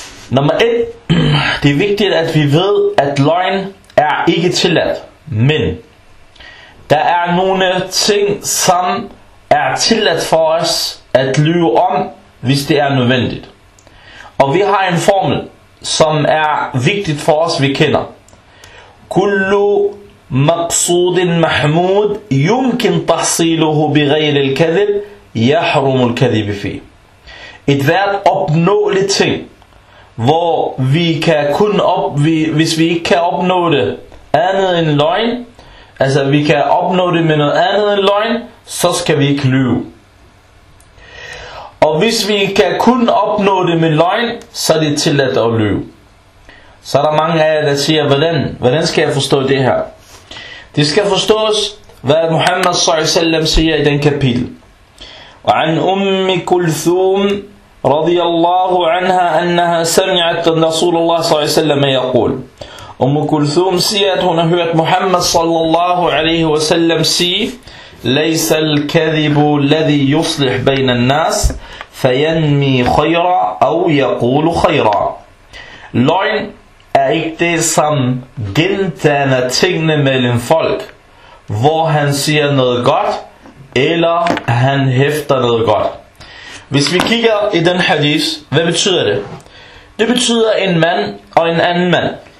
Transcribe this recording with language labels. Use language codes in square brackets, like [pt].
[da] Nummer 1. Det er vigtigt at vi ved at løgn er ikke tilladt. Men der er nogle ting som er tilladt for os at lyve om, hvis det er nødvendigt. Og vi har en formel som er vigtigt for os vi kender. [ar] Kullu مقصود محمود يمكن تحصيله بغير الكذب يحرم الكذب فيه. [da] Et hvert opnåeligt ting, hvor vi kan kun hvis vi ikke kan opnå det andet end løgn, altså vi kan opnå det med noget andet end løgn, så skal vi ikke lyve. Og hvis vi kan kun opnå det med løgn, så er det tilladt at lyve. Så er der mange af jer, der siger, hvordan skal jeg forstå det her? Det skal forstås, hvad Muhammad s.a.w. siger i den kapitel. [ar] وعن أم كلثوم رضي الله عنها أنها سمعت رسول الله صلى الله عليه وسلم يقول. أم كلثوم [da] siger, at hun har hørt Muhammad sallallahu alaihi wasallam sige, [ar] ليس الكذب الذي يصلح بين الناس فينمي خيرا أو يقول خيرا. [da] Løgn er ikke det, som gentager tingene mellem folk, hvor han siger noget godt, eller han hæfter noget godt. Hvis vi kigger i den hadith, hvad betyder det? Det betyder en mand og en anden mand.